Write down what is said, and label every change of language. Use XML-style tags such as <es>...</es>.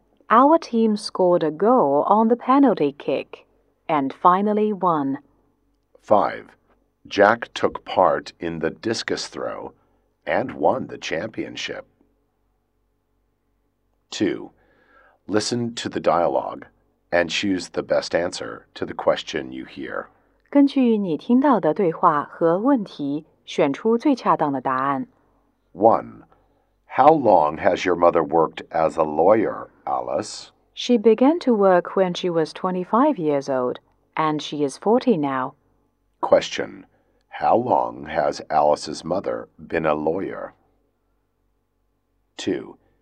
<en>Our team scored a goal on the penalty kick and finally won. 5. Jack took part in the discus throw and won the championship. 2. Listen to the dialogue and choose the best answer to the question you hear.</en> <zh>根据你听到的对话和问题选出最恰当的答案。</zh> <en>1. How long has your mother worked as a lawyer, Alice? She began to work when she was 25 years old, and she is 40 now. Question. How long has Alice's mother been a lawyer? 2.</en>